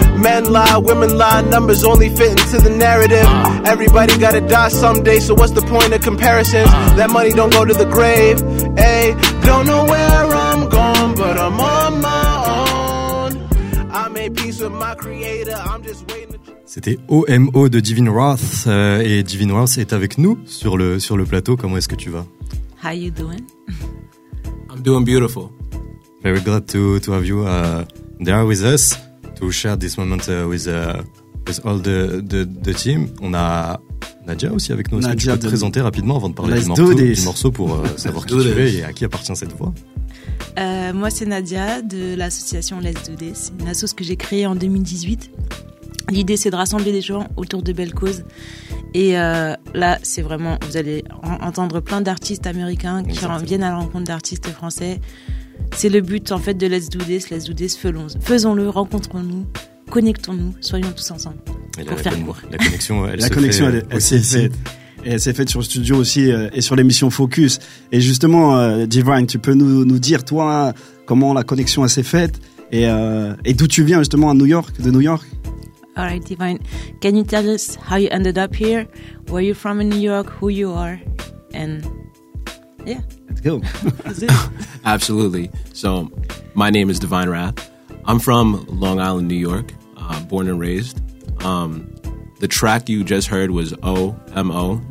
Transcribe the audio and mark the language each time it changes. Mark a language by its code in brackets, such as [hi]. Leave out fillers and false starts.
[en] Men lie, women lie, numbers only fit into the narrative. Everybody gotta die someday, so what's the point of comparisons? That money don't go to the grave, ayy. Don't know where I'm going, but I'm on my own. I made peace with my creator, I'm just waiting to... [fr] C'était OMO de Divine Wrath, et Divine Wrath est avec nous sur le plateau. Comment est-ce que tu vas? [en] How you doing? I'm doing beautiful. Very glad to have you there with us. To share this moment with all the team. [fr] On a Nadia aussi avec nous. Est-ce que tu peux te présenter rapidement avant de parler du morceau pour savoir qui tu es et à qui appartient cette voix? Moi, c'est Nadia de l'association Let's Do This. C'est une asso que j'ai créée en 2018. L'idée, c'est de rassembler des gens autour de belles causes. Et là, c'est vraiment... Vous allez entendre plein d'artistes américains qui viennent à la rencontre d'artistes français. C'est le but, en fait, de Let's Do This, faisons-le, rencontrons-nous, connectons-nous, soyons tous ensemble La connexion, elle s'est faite sur le studio aussi et sur l'émission Focus. Et justement, Divine, tu peux nous dire, toi, comment la connexion s'est faite et d'où tu viens, justement, de New York? [en] All right, Divine, can you tell us how you ended up here, where you're from in New York, who you are, and yeah. Absolutely. So my name is Divine Wrath. I'm from Long Island, New York, born and raised. The track you just heard was OMO.